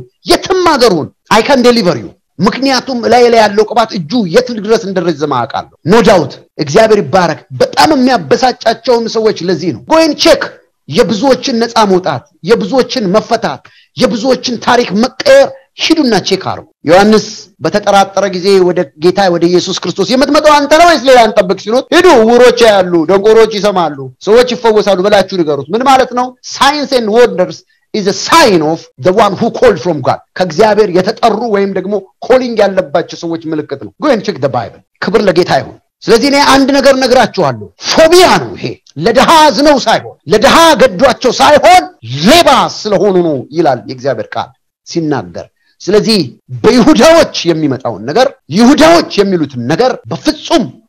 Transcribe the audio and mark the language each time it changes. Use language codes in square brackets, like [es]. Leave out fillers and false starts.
[am] የትም ሀገር ሁን [en] አይ ካን ዴሊቨር ዩ። [am] ምክንያቱም ላይ ያለው ቅባት እጁ የት ድረስ እንደረዘ ማቃል [en] ኖ ዳውት። [am] እግዚአብሔር ይባረክ። በጣም የሚያበሳጫቸውም ሰዎች ለዚህ ነው [en] ጎይን ቼክ [am] የብዙዎችን ነፃ መውጣት የብዙዎችን መፈታት የብዙዎችን ታሪክ መቀየር ሂዱና ቼክ አርጉ። ዮሐንስ በተጠራጠረ ጊዜ ወደ ጌታ ወደ ኢየሱስ ክርስቶስ የምትመጣው አንተ ነው ወይስ ሌላ አንጠብቅ ሲሉት ሂዱ ውሮች ያሉ ደንቆሮች ይሰማሉ ሰዎች ይፈወሳሉ ብላችሁ ንገሩት። ምን ማለት ነው? [en] ሳይንስ ኤንድ ወንደርስ is a sign of the one who called from God. [am] ከእግዚአብሔር የተጠሩ ወይም ደግሞ calling ያለባቸው ሰዎች ምልክት ነው። [en] Go and check the Bible. [am] ክብር ለጌታ ይሁን። ስለዚህ እኔ አንድ ነገር ነግራችኋለሁ። ፎቢያ ነው ይሄ። ለደሃ አዝነው ሳይሆን ለደሃ ገዷቸው ሳይሆን ሌባ ስለሆኑ ነው ይላል የእግዚአብሔር ቃል ሲናገር። ስለዚህ በይሁዳዎች የሚመጣውን ነገር ይሁዳዎች የሚሉትን ነገር በፍጹም